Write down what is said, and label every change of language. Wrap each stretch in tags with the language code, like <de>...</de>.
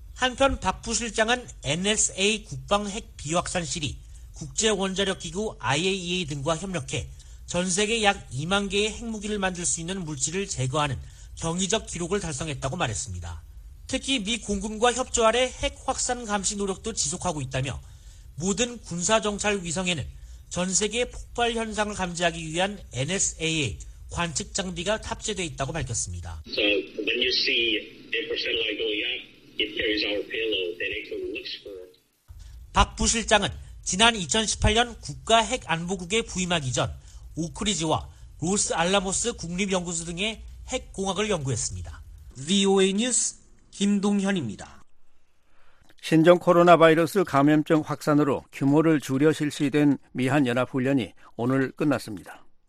<ko>한편 박 부실장은 NSA 국방 핵 비확산실이 국제원자력기구 IAEA 등과 협력해 전 세계 약 2만 개의 핵무기를 만들 수 있는 물질을 제거하는 경이적 기록을 달성했다고 말했습니다. 특히 미 공군과 협조 아래 핵 확산 감시 노력도 지속하고 있다며 모든 군사정찰 위성에는 전 세계 폭발 현상을 감지하기 위한 NSA의 관측 장비가 탑재되어 있다고 밝혔습니다.</ko> <en>So when you see infrared satellite going up, it carries our payload that it looks for.</en> <ko>박 부실장은 지난 2018년 국가핵안보국에 부임하기 전 오크리지와 로스 알라모스 국립연구소 등의 핵공학을 연구했습니다. VOA 뉴스 김동현입니다. 신종 코로나 바이러스 감염증 확산으로 규모를 줄여 실시된 미한연합훈련이 오늘 끝났습니다.</ko>